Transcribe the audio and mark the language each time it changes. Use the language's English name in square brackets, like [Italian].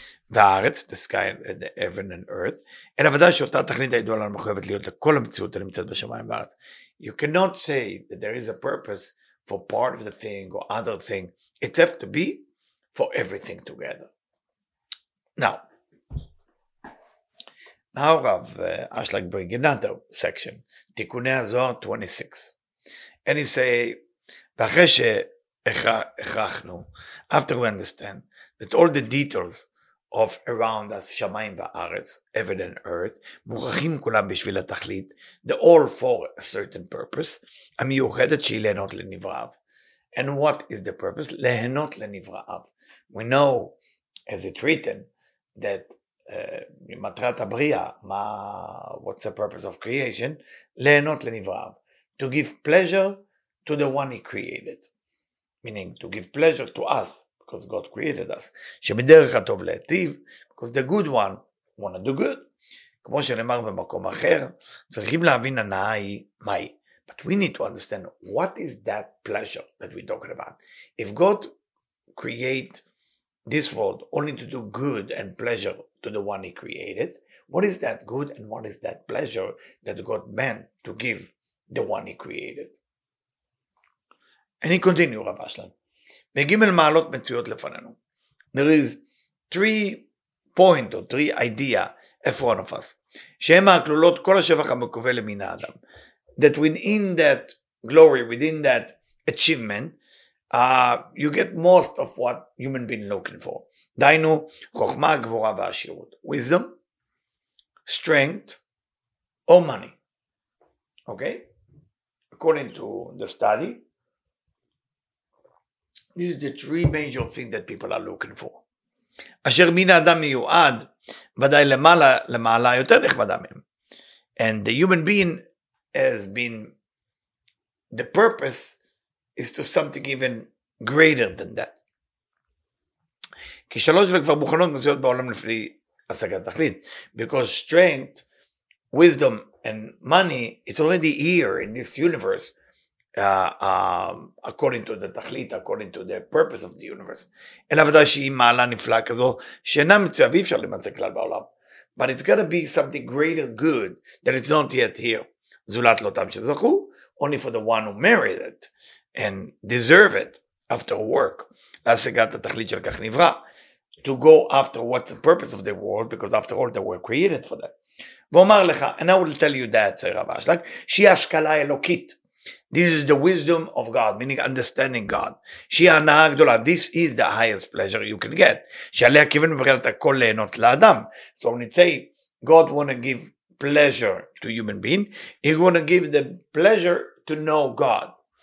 [Hebrew] והארץ, [English] the sky, the heaven and earth, [Hebrew] אלא ודאי שאותה תכלית הידועה לנו מחויבת להיות לכל המציאות הנמצאת בשמיים בארץ. [English] You cannot say that there is a purpose for part of the thing or other thing. It has to be for everything together. Now, now Rav Ashlag bring another section, תיקוני הזוהר 26. And he say, [Hebrew] ואחרי שהכרחנו, [English] after we understand that all the details of around us, Shamayim va'aretz, heaven and earth, [Hebrew] muchachim kulam b'shvil ha'tachlit, [English] they're all for a certain purpose, [Hebrew] ha'miyuchedet she'i lehenot le'nivra'av. [English] And what is the purpose? [Hebrew] Lehenot le'nivra'av. [English] We know, as it's written, that [Hebrew] matrat ha'briya, [English] what's the purpose of creation? [Hebrew] Lehenot le'nivra'av. [English] To give pleasure to the one he created. Meaning, to give pleasure to us. Because God created us. [Hebrew] שמדרך הטוב להטיב, [English] because the good one want to do good. [Hebrew] כמו שנאמר במקום אחר, צריכים להבין הנאה היא מהי. [English] But we need to understand what is that pleasure that we're talking about. If God create this world only to do good and pleasure to the one he created, what is that good and what is that pleasure that God meant to give the one he created? And he continued, Rav Ashlag. [Hebrew] בגימל מעלות מצויות לפנינו. [English] There is three point or three idea in front of us. [Hebrew] שהם הכלולות כל השבח המקווה למין האדם. [English] That within that glory, within that achievement, you get most of what human being looking for. [Hebrew] דיינו, חוכמה, גבורה ועשירות. [English] Wisdom, strength, or money. Okay? According to the study, this is the three major things that people are looking for. [Hebrew] אשר מין האדם מיועד, ודאי למעלה, למעלה יותר נכבדה מהם. [English] And the human being has been, the purpose is to something even greater than that. [Hebrew] כשלוש וכבר מוכנות מצויות בעולם לפני השגת תכלית. [English] Because strength, wisdom and money, it's already here in this universe. According to the תכלית, according to the purpose of the universe. [Hebrew] אלא ודאי שהיא מעלה נפלאה כזו, שאינה מצויה ואי אפשר למצוא כלל בעולם. [English] But it's gonna be something greater good that it's not yet here. [Hebrew] זולת לאותם שזכו, [English] only for the one who merited it and deserve it after work. [Hebrew] להשגת התכלית של כך נברא. [English] To go after what's the purpose of the world, because after all they were created for that. [Hebrew] ואומר לך, [English] and I will tell you that, רב אשלג, שהיא השכלה אלוקית. This is the wisdom of God, meaning understanding God. [Hebrew] שהיא הנאה הגדולה. [English] This is the highest pleasure you can get. [Hebrew] שעליה כיוון בבחינת הכל ליהנות לאדם. [English] So when it say, God want to give pleasure to human being, he want to give the pleasure to know God.